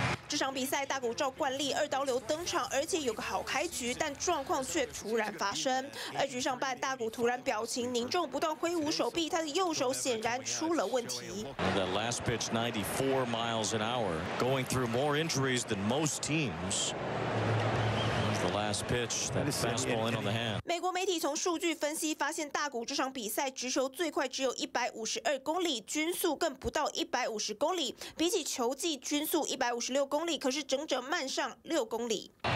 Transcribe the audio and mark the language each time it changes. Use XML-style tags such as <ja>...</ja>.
<zh>这场比赛大谷照惯例二刀流登场，而且有个好开局，但状况却突然发生。二局上半，大谷突然表情凝重，不断挥舞手臂，他的右手显然出了问题。</zh> <en>That last pitch, 94 miles an hour, going through more injuries than most teams.</en> <zh>美国媒体从数据分析发现，大谷这场比赛直球最快只有152公里，均速更不到150公里，比起球季均速156公里，可是整整慢上6公里。</zh>